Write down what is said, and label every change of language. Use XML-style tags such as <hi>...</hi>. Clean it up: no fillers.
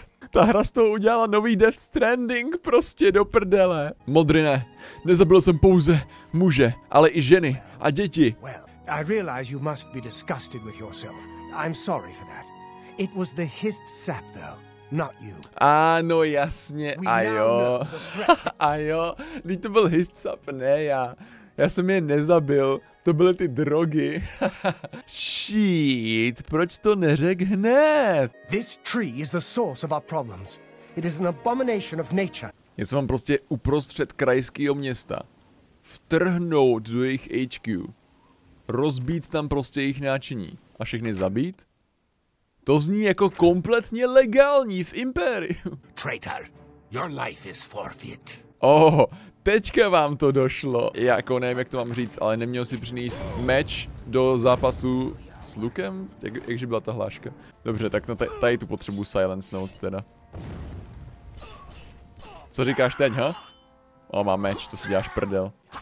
<cs>Ta hra z toho udělala nový Death Stranding, prostě do prdele. Modrine, nezabil jsem pouze muže, ale i ženy a děti.</cs> <en>I realize you must be disgusted with yourself. I'm sorry for that. It was the hissed sap, though, not you.</en> <cs>Ano, jasně, a jo. A jo, když to byl hissed sap, ne já. Já jsem je nezabil, to byly ty drogy. Shit, proč to neřek hned?</cs> <en>This tree is the source of our problems. It is an abomination of nature.</en> <cs>Já jsem vám prostě uprostřed krajského města. Vtrhnout do jejich HQ. Rozbít tam prostě jejich náčiní a všechny zabít? To zní jako kompletně legální v Impériu.</cs> <en>Traitor, your life is forfeit.</en> <cs>Oh, teďka vám to došlo. Jako nevím, jak to mám říct, ale neměl si přinést meč do zápasu s lukem? Jakže byla ta hláška? Dobře, tak no tady tu potřebu silence note teda. Co říkáš teď, ha? O, mám meč, to si děláš prdel.</cs>